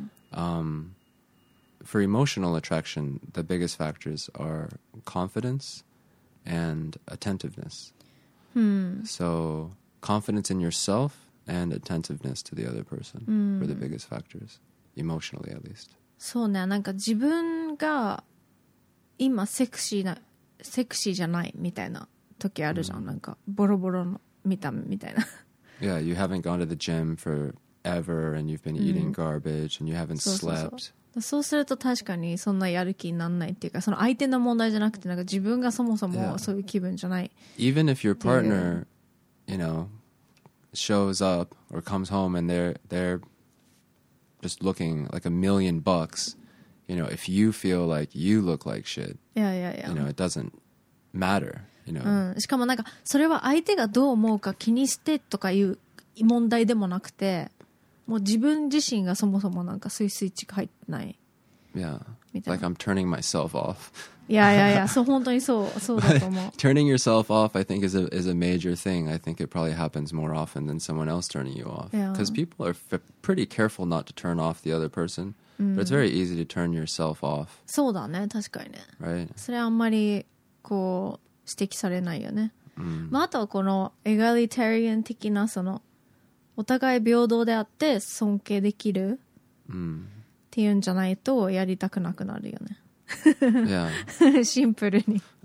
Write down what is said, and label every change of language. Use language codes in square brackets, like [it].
[en] For emotional attraction, the biggest factors are confidence and attentiveness. So confidence in yourself and attentiveness to the other person are the biggest factors, emotionally at least. [ja] そうね、なんか自分が今セクシーな、セクシーじゃないみたいな時あるじゃん、なんかボロボロの見た目みたいな。 [en] Yeah, you haven't gone to the gym forever and you've been eating garbage and you haven't slept. [ja] そうすると確かにそんなやる気になんないっていうか、その相手の問題じゃなくて、なんか自分がそもそもそういう気分じゃない。 [en] Even if your partner, you know, shows up or comes home and they're just looking like $1,000,000, you know, if you feel like you look like shit, yeah. you know, it doesn't matter, you know. [ja] しかもなんかそれは相手がどう思うか気にしてとかいう問題でもなくて、もう自分自身がそもそもなんかそういうスイッチが入ってない。 [en] Yeah, like I'm turning myself off. yeah. [ja] そう、本当にそう、そうだと思う。 [en] Turning yourself off, I think, is a major thing. I think it probably happens more often than someone else turning you off. Because people are pretty careful not to turn off the other person. But it's very easy to turn yourself off. [ja] そうだね、確かにね。 [en] Right. [ja] それあんまりこう指摘されないよね。まあ、あとはこのエガリタリアン的な、そのお互い平等であって尊敬できる。っていうんじゃないとやりたくなくなるよね。シンプルに。